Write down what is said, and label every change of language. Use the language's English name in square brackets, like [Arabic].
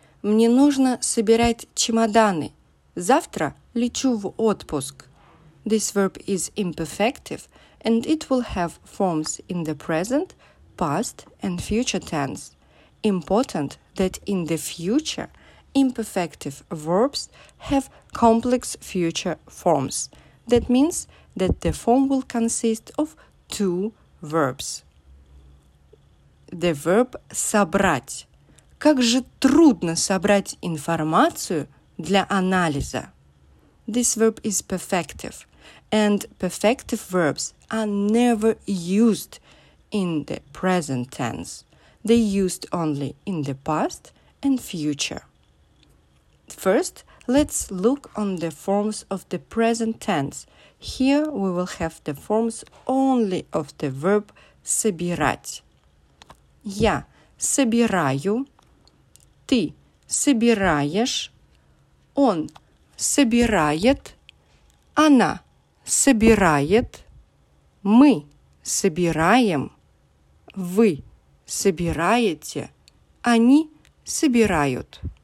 [Russian] Мне нужно собирать чемоданы. Завтра лечу в отпуск. [English] This verb is imperfective and it will have forms in the present, past and future tense. Important that in the future imperfective verbs have complex future forms. That means that the form will consist of two verbs. The verb собрать. [Russian] Как же трудно собрать информацию для анализа. [English] This verb is perfective, and perfective verbs are never used in the present tense. They used only in the past and future. First, let's look on the forms of the present tense. Here we will have the forms only of the verb собирать. [Russian] Я собираю, ты собираешь, он собирает, она собирает, мы собираем, вы собираете, они собирают.